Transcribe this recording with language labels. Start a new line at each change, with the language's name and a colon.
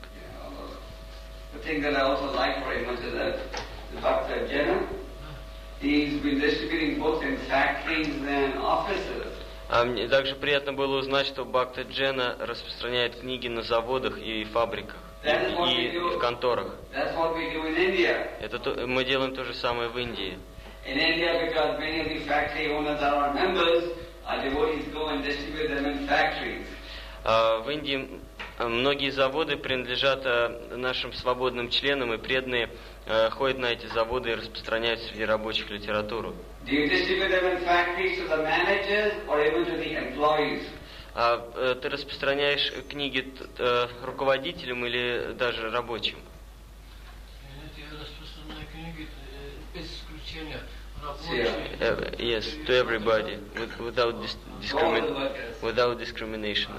English: Yeah, the thing that I also like very much is that Bhakta Jena, he's been distributing books in factories and offices.
Russian: А мне также приятно было узнать, что Бхакта Джена распространяет книги на заводах и фабриках, и в конторах.
English: That's what we do in India.
Russian: Это то, мы делаем то же самое в Индии.
English: In India, because many of the factory owners are our members, our devotees go and distribute them in factories.
Russian: В Индии многие заводы принадлежат нашим свободным членам, и преданные ходят на эти заводы и распространяют среди рабочих литературу.
English: Do you distribute them in factories to the managers or even to the employees?
Russian: Ты распространяешь книги руководителям или даже рабочим? Нет, я распространяю книги без исключения рабочих.
English: Yes, to everybody, without discrimination.